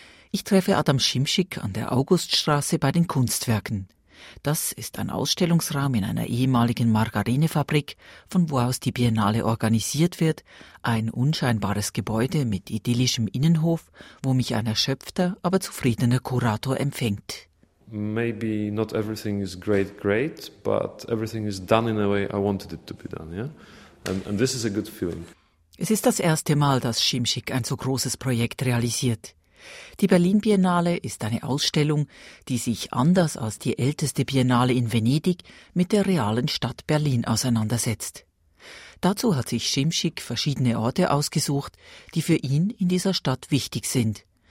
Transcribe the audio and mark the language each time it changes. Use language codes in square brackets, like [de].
[de] Ich treffe Adam Simsik an der Auguststraße bei den Kunstwerken. Das ist ein Ausstellungsraum in einer ehemaligen Margarinefabrik, von wo aus die Biennale organisiert wird, ein unscheinbares Gebäude mit idyllischem Innenhof, wo mich ein erschöpfter, aber zufriedener Kurator empfängt. [en] Maybe not everything is great, but everything is done in a way I wanted it to be done, yeah? And this is a good feeling. [de] Es ist das erste Mal, dass Simsik ein so großes Projekt realisiert. Die Berlin Biennale ist eine Ausstellung, die sich anders als die älteste Biennale in Venedig mit der realen Stadt Berlin auseinandersetzt. Dazu hat sich Simsik verschiedene Orte ausgesucht, die für ihn in dieser Stadt wichtig sind.